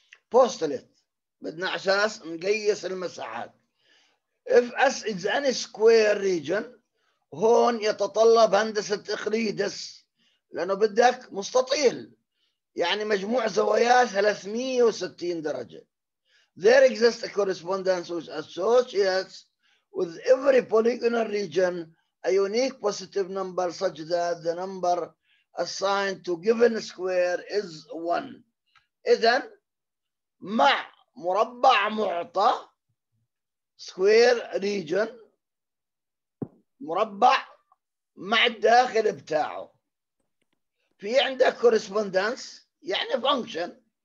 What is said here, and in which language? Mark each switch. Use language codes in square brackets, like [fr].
[ar] postulate بدنا عشان نقيس المساحات. [en] if S is any square region، [ar] هون يتطلب هندسة إقليدس لأنه بدك مستطيل، يعني مجموع زواياه 360 درجة. [en] There exists a correspondence which associates with every polygonal region a unique positive number such that the number assigned to given square is 1. [ar] إذا مع مربع معطى square region، مربع مع الداخل بتاعه، في عندك كورسبوندنس يعني فانكشن.